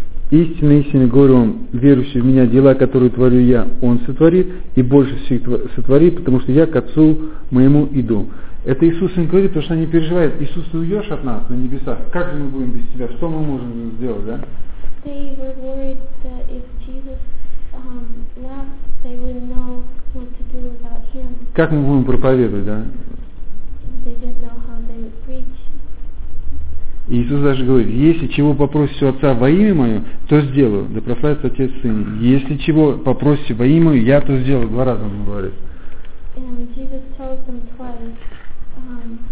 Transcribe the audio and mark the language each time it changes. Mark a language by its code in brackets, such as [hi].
[ru] Истинно, истинно говорю вам, верующий в меня, дела, которые творю я, он сотворит, и больше всех сотворит, потому что я к Отцу моему иду. Это Иисус им говорит, потому что они переживают. Иисус, ты уйдешь от нас на небесах? Как же мы будем без тебя? Что мы можем сделать, да? [en] They were worried that if Jesus left, they wouldn't know what to do without him. [ru] Как мы будем проповедовать, да? [en] They didn't know how they would preach. [ru] Иисус даже говорит, если чего попросите у Отца во имя Мое, то сделаю. Да прославится Отец и Сын. Если чего попросите во имя Мое, я то сделаю. Два раза он говорит. [en] And Jesus told them twice,